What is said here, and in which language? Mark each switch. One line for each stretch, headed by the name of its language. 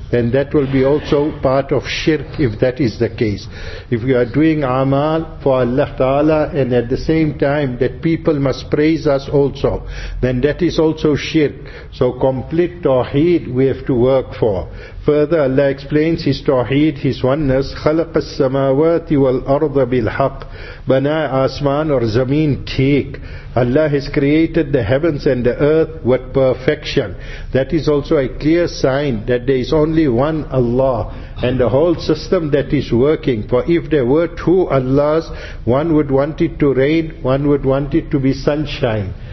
English: Then that will be also part of shirk if that is the case. If we are doing amal for Allah Ta'ala, and at the same time that people must praise us also, then that is also shirk. So complete tawheed we have to work for. Further, Allah explains His tawheed, His oneness.
Arabic: خلق السماوات والأرض بالحق.
Urdu: بناء آسمان or زمين تيك.
English: Allah has created the heavens and the earth with perfection. That is also a clear sign that there is only one Allah and the whole system that is working. For if there were two Allahs, one would want it to rain, one would want it to be sunshine.